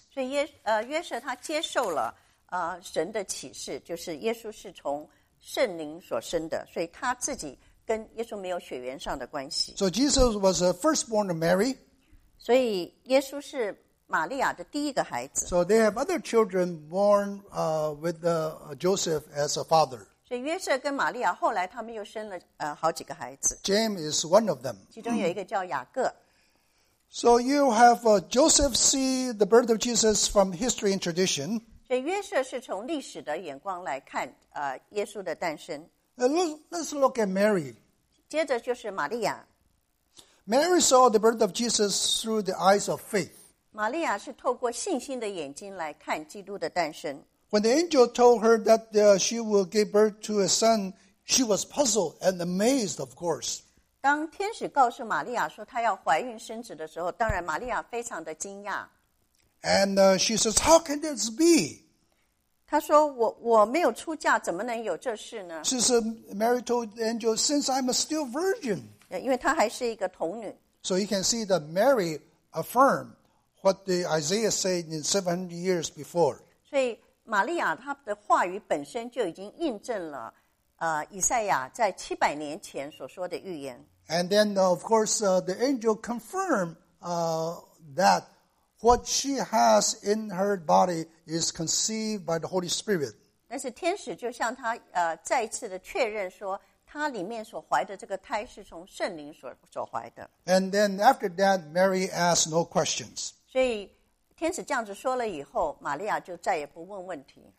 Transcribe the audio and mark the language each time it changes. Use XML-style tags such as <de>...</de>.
<zh>所以约瑟他接受了神的启示，就是耶稣是从圣灵所生的，所以他自己跟耶稣没有血缘上的关系。</zh> <en>So Jesus was firstborn of Mary.</en> <zh>所以耶稣是玛利亚的第一个孩子。</zh> <en>So they have other children born with the Joseph as a father.</en> <zh>所以约瑟跟玛利亚后来他们又生了好几个孩子。</zh> <en>James is one of them.</en> <zh>其中有一个叫雅各。</zh> <en>So you have Joseph see the birth of Jesus from history and tradition.</en> <zh>所以约瑟是从历史的眼光来看耶稣的诞生。</zh> <en>Let's look at Mary.</en> <zh>接着就是玛利亚。</zh> <en>Mary saw the birth of Jesus through the eyes of faith.</en> <zh>玛利亚是透过信心的眼睛来看基督的诞生。</zh> <en>When the angel told her that she will give birth to a son, she was puzzled and amazed, of course.</en> <zh>当天使告诉玛利亚说她要怀孕生子的时候，当然玛利亚非常的惊讶。</zh> <en>And she says, how can this be?</en> <zh>她说我没有出嫁，怎么能有这事呢？</zh> <en>She said, Mary told the angel, since I'm a still virgin.</en> <zh>因为她还是一个童女。</zh> <en>So you can see that Mary affirmed what the Isaiah said in 700 years before.</en> <zh>所以玛利亚她的话语本身就已经印证了以赛亚在700年前所说的预言。</zh> <en>And then, of course, the angel confirmed that what she has in her body is conceived by the Holy Spirit.</en> <zh>但是天使就向她再一次的确认说她里面所怀的这个胎是从圣灵所怀的。</zh> <en>And then after that, Mary asked no questions.</en> <zh>所以天使这样子说了以后，玛利亚就再也不问问题。</zh>